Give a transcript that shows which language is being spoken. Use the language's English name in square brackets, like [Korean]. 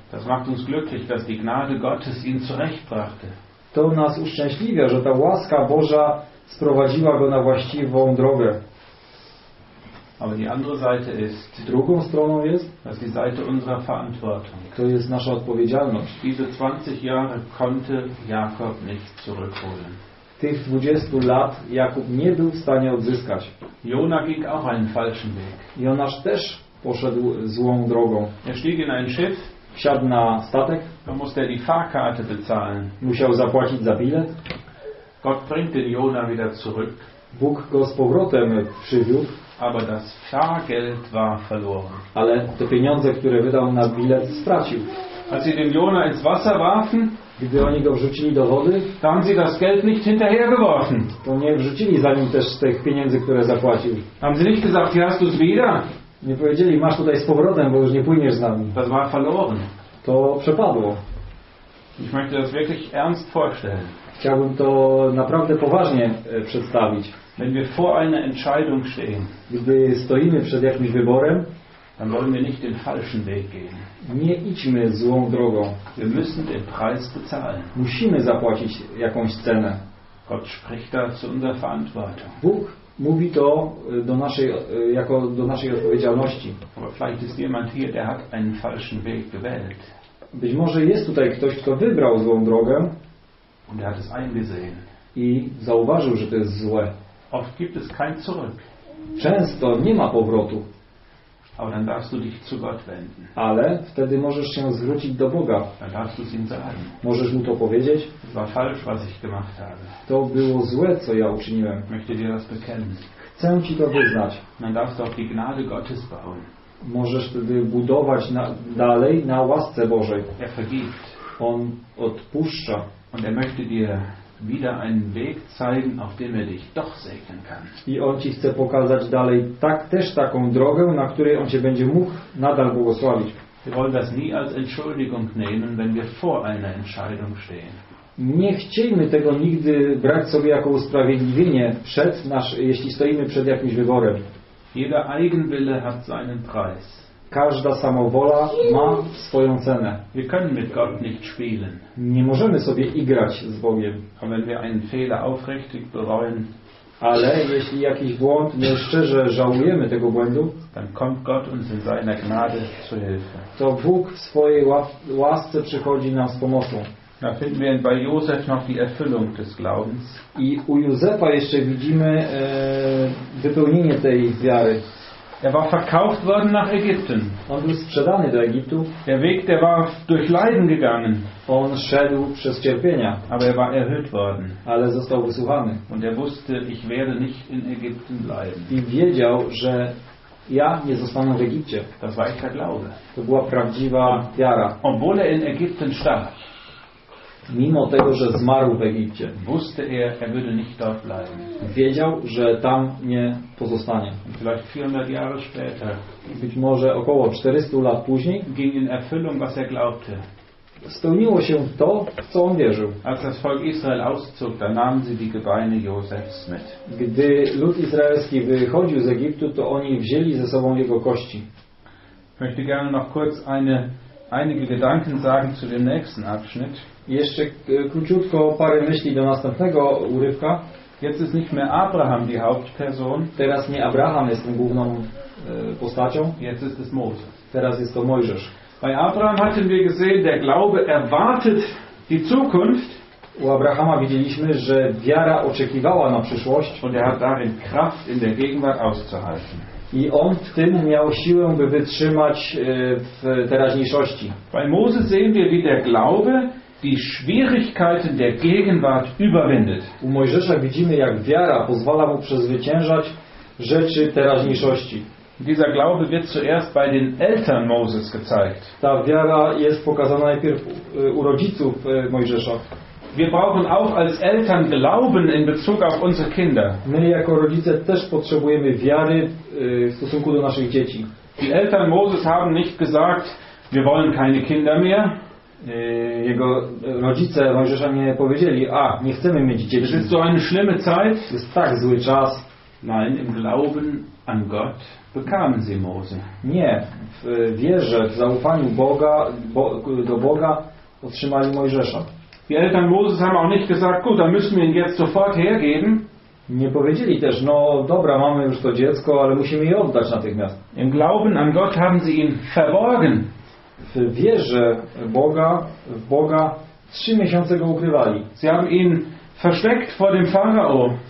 [German] Das macht uns glücklich, dass die Gnade Gottes ihn zurechtbrachte. [Polish] To nas uszczęśliwia, że ta łaska Boża sprowadziła go na właściwą drogę. [German] Aber die andere Seite ist, [Polish] drugą stroną jest, [German] dass die Seite unserer Verantwortung. [Polish] To jest nasza odpowiedzialność. [German] Diese 20 Jahre konnte Jakob nicht zurückholen. [Polish] Tych 20 lat Jakub nie był w stanie odzyskać. [German] Jona ging auch einen falschen Weg. [Polish] Jonasz też poszedł złą drogą. [German] Er stieg in ein Schiff. [Polish] Wsiadł na statek. [German] Dann musste er die Fahrkarte bezahlen. [Polish] Musiał zapłacić za bilet. [German] Gott bringt den Jona wieder zurück. [Polish] Bóg go z powrotem przywiódł. [German] Aber das Fahrgeld war verloren. [Polish] Ale te pieniądze, które wydał na bilet, stracił. [German] Als sie den Jona ins Wasser warfen, [Polish] Gdy oni go wrzucili do wody, [German] haben sie das Geld nicht hinterher geworfen. [Polish] To nie wrzucili za nim też tych pieniędzy, które zapłacił. [German] Haben sie nicht gesagt, hier hast du's wieder. [Polish] Nie powiedzieli, masz tutaj z powrotem, bo już nie płyniesz z nami. [German] Das war verloren. [Polish] To przepadło. [German] Ich möchte das wirklich ernst vorstellen. [Polish] Chciałbym to naprawdę poważnie przedstawić. [German] Wenn wir vor einer Entscheidung stehen, [Polish] gdy stoimy przed jakimś wyborem, [German] dann wollen wir nicht den falschen Weg gehen. [Polish] Nie idźmy złą drogą. [German] Wir müssen den Preis bezahlen. [Polish] Musimy zapłacić jakąś cenę. [German] Gott spricht da zu unserer Verantwortung. [Polish] Bóg mówi to do naszej, jako do naszej odpowiedzialności. [German] Aber vielleicht ist jemand hier, der hat einen falschen Weg gewählt. [Polish] Być może jest tutaj ktoś, kto wybrał złą drogę. [German] Und er hat es eingesehen. [Polish] I zauważył, że to jest złe. [German] Oft gibt es kein zurück. [Polish] Często nie ma powrotu. [German] Aber dann darfst du dich zu Gott wenden. [Polish] Ale wtedy możesz się zwrócić do Boga. [German] Dann darfst du es ihm sagen. [Polish] Możesz mu to powiedzieć. [German] Es war falsch, was ich gemacht habe. [Polish] To było złe, co ja uczyniłem. [German] Möchte dir das bekennen. [Polish] Chcę ci to wyznać. [German] Dann darfst du auf die Gnade Gottes bauen. [Polish] Możesz wtedy budować na, dalej na łasce Bożej. [German] Er vergibt. [Polish] On odpuszcza. [German] Und er möchte dir wieder einen Weg zeigen, auf dem er dich doch segnen kann. [Polish] I on ci chce pokazać dalej tak też taką drogę, na której on cię będzie mógł nadal błogosławić. [German] Wir wollen das nie als Entschuldigung nehmen, wenn wir vor einer Entscheidung stehen. [Polish] Nie chcielibyśmy tego nigdy brać sobie jako usprawiedliwienie przed nasz, jeśli stoimy przed jakimś wyborem. [German] Jeder Eigenwille hat seinen Preis. [Polish] Każda samowola ma swoją cenę. [German] Wir können mit Gott nicht spielen. [Polish] Nie możemy sobie igrać z Bogiem. [German] Aber wenn wir einen Fehler aufrichtig bereuen, [Polish] ale jeśli jakiś błąd, my szczerze żałujemy tego błędu, [German] dann kommt Gott uns in seiner Gnade zu Hilfe. [Polish] To Bóg w swojej łasce przychodzi nam z pomocą. [German] Da finden wir bei Josef noch die Erfüllung des Glaubens. [Polish] I u Józefa jeszcze widzimy wypełnienie tej wiary. [German] Er war verkauft worden nach Ägypten. [Polish] On był sprzedany do Egiptu. [German] Der Weg, der war durch Leiden gegangen. [Polish] On szedł przez cierpienia. [German] Aber er war erhöht worden. [Polish] Ale został wysłuchany. [German] Und er wusste, ich werde nicht in Ägypten bleiben. [Polish] I wiedział, że ja nie zostanę w Egipcie. [German] Das war echter Glaube. [Polish] To była prawdziwa wiara. [German] Obwohl er in Ägypten starb. [Polish] Mimo tego, że zmarł w Egipcie, [German] wusste er, er würde nicht dort bleiben. [Polish] Wiedział, że tam nie pozostanie. [German] Vielleicht 400 Jahre später, [Polish] być może około 400 lat później, [German] ging in Erfüllung, was er glaubte. [Polish] Spełniło się to, w co on wierzył. [German] Als das Volk Israel auszog, da nahmen sie die Gebeine Josefs mit. [Polish] Gdy lud izraelski wychodził z Egiptu, to oni wzięli ze sobą jego kości. [German] Ich möchte gerne noch kurz einige Gedanken sagen zu dem nächsten Abschnitt. [Polish] Jeszcze króciutko parę myśli do następnego urywka. [German] Jetzt ist nicht mehr Abraham die Hauptperson. [Polish] Teraz nie Abraham jest tą główną postacią. [German] Jetzt ist es Mose. [Polish] Teraz jest to Mojżesz. [German] Bei Abraham hatten wir gesehen, der Glaube erwartet die Zukunft. [Polish] U Abrahama widzieliśmy, że wiara oczekiwała na przyszłość. [German] Und er hat darin Kraft in der Gegenwart auszuhalten. [Polish] I on w tym miał siłę, by wytrzymać w teraźniejszości. [German] Bei Mose sehen wir, wie der Glaube die Schwierigkeiten der Gegenwart überwindet. [Polish] U Mojżesza widzimy, jak wiara pozwala mu przezwyciężać rzeczy teraźniejszości. [German] Dieser Glaube wird zuerst bei den Eltern Moses gezeigt. [Polish] Ta wiara jest pokazana najpierw u rodziców Mojżesza. [German] Wir brauchen auch als Eltern Glauben in Bezug auf unsere Kinder. [Polish] My jako rodzice też potrzebujemy wiary w stosunku do naszych dzieci. [German] Die Eltern Moses haben nicht gesagt, wir wollen keine Kinder mehr. [Polish] Jego rodzice Mojżesza nie powiedzieli, a nie chcemy mieć dzieci. [German] Ist so eine schlimme Zeit. [Polish] Jest tak zły czas. [German] Nein, im Glauben an Gott bekamen sie Mose. [Polish] Nie, w wierze, w zaufaniu Boga, do Boga otrzymali Mojżesza. [German] Die Eltern Moses haben auch nicht gesagt, gut, dann müssen wir ihn jetzt sofort hergeben. [Polish] Nie powiedzieli też, no dobra, mamy już to dziecko, ale musimy je oddać natychmiast. [German] Im Glauben an Gott haben sie ihn verborgen. [Polish] W wierze Boga, w Boga, 3 miesiące go ukrywali. [German] Sie haben ihn versteckt vor dem Pharao.